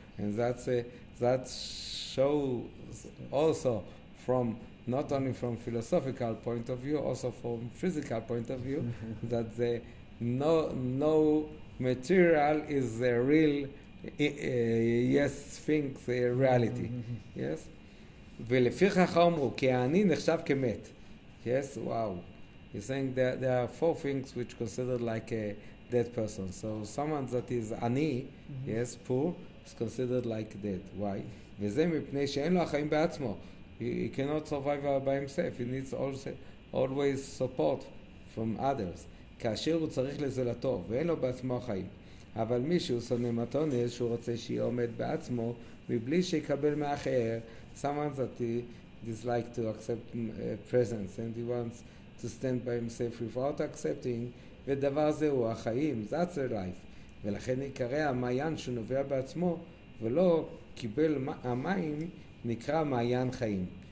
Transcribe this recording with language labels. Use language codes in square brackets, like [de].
[en] And that's that shows also from not only from philosophical point of view, also from physical point of view, that the no material is the real yes thing, the reality. Yes. [he] ולפיכך אמרו כי אני נחשב כמת. [en] Yes. Wow. He's saying that there are four things which considered like a dead person. So someone that is ani, yes, poor, is considered like dead. Why? [he] וזה מפני שאין לו חיים בעצמו. [en] He cannot survive by himself. He needs always support from others. [he] כאשר הוא צריך לזולתו, ואין לו בעצמו חיים. אבל מישהו שונא מתונת, שהוא רוצה שיהיה עומד בעצמו, מבלי שיקבל מאחר, [en] someone that he dislike to accept presents, and he wants to stand by himself without accepting, [he] ודבר זהו, החיים, [en] that's a life. [he] ולכן יקרא המעיין שנובע בעצמו, ולא קיבל המים, נקרא מעיין חיים.